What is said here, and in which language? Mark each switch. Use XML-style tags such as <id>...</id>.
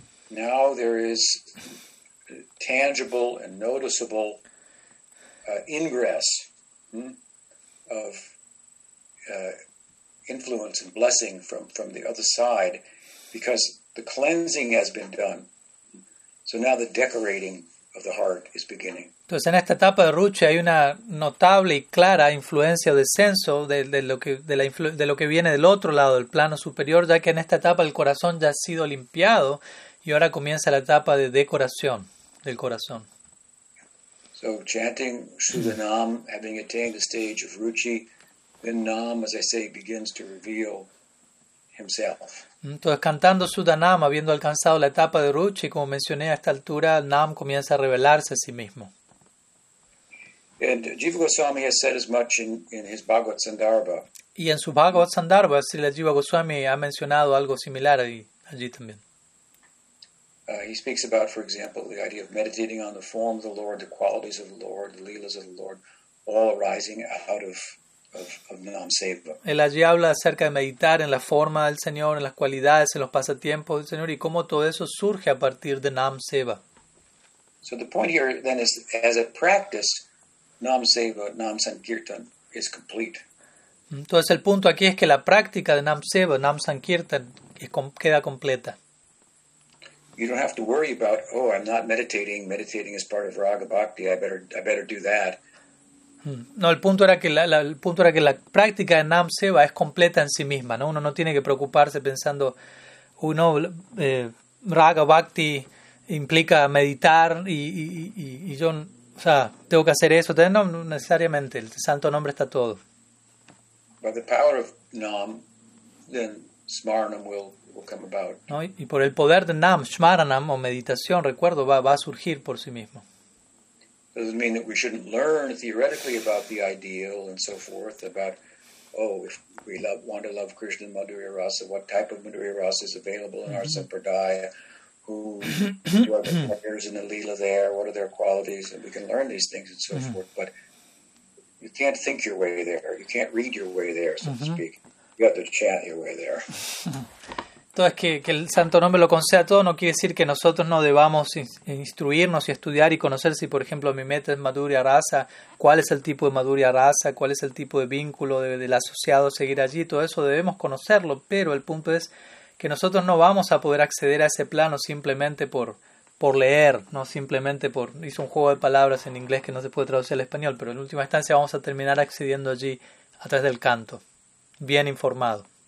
<en>Now there is tangible and noticeable ingress of influence and blessing from the other side, because the cleansing has been done. So now the decorating of the heart is beginning.</en> <es>Entonces, en esta etapa de Ruchi hay una notable y clara influencia o descenso de lo que viene del otro lado, del plano superior, ya que en esta etapa el corazón ya ha sido limpiado y ahora comienza la etapa de decoración del corazón.</es> <en>So chanting Suddha-nama, having attained the stage of Ruchi, then Nam, as I say, begins to reveal himself.</en> <es>Entonces, cantando Suddha-nama, habiendo alcanzado la etapa de Ruchi, como mencioné, a esta altura, Nam comienza a revelarse a sí mismo.</es> <en>And Jiva Goswami has said as much in his Bhagavad Sandarbha.</en> <es>Y en su Bhagavad Sandarbha, Srila Jiva Goswami ha mencionado algo similar allí también.</es> <en>He speaks about, for example, the idea of meditating on the form of the Lord, the qualities of the Lord, the leelas of the Lord, all arising out of Nam Seva.</en> <es>Él allí habla acerca de meditar en la forma del Señor, en las cualidades, en los pasatiempos del Señor, y cómo todo eso surge a partir de Nam Seva.</es> <en>So the point here then is, as a practice, Nam Seva, Nam Sankirtan is complete.</en> <es>Entonces el punto aquí es que la práctica de Nam Seva, Nam Sankirtan, queda completa.</es> <en>You don't have to worry about, oh, I'm not meditating. Meditating is part of raga bhakti. I better do that.</en> <es>No, el punto era que la práctica de Nam Seva es completa en sí misma, ¿no? Uno no tiene que preocuparse pensando, uno raga bhakti implica meditar y yo, o sea, tengo que hacer eso. No, no necesariamente. El santo nombre está todo.</es> <en>By the power of Nam, then smaranam will come about.</en> <es>¿No? Y por el poder de Nam, smaranam o meditación, recuerdo, va a surgir por sí mismo.</es> <en>Doesn't mean that we shouldn't learn theoretically about the ideal and so forth, about, oh, if we want to love Krishna Madhurya Rasa, what type of Madhurya Rasa is available in our Sampradaya, who are the players in the Leela there, what are their qualities, and we can learn these things and so forth, but you can't think your way there, you can't read your way there, so to speak. You have to chant your way there.</en> <es>Entonces, que el santo nombre lo conceda todo no quiere decir que nosotros no debamos instruirnos y estudiar y conocer si, por ejemplo, mi meta es Madhurya Rasa, cuál es el tipo de Madhurya Rasa, cuál es el tipo de vínculo del asociado seguir allí, todo eso debemos conocerlo, pero el punto es que nosotros no vamos a poder acceder a ese plano simplemente por leer, no simplemente por, hizo un juego de palabras en inglés que no se puede traducir al español, pero en última instancia vamos a terminar accediendo allí a través del canto, bien informado.</es>